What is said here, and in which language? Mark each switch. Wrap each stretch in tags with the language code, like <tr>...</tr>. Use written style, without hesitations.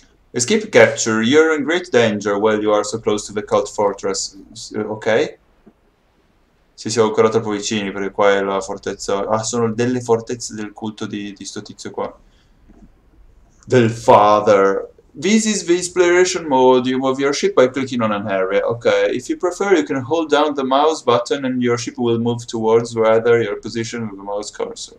<en>Escape capture, you're in great danger while you are so close to the cult fortress. Ok.</en> <it>Sì, siamo ancora troppo vicini perché qua è la fortezza. Ah, sono delle fortezze del culto di sto tizio qua.</it> <en>Del father. This is the exploration mode. You move your ship by clicking on an area. Ok, if you prefer, you can hold down the mouse button and your ship will move towards wherever your position with the mouse cursor.</en>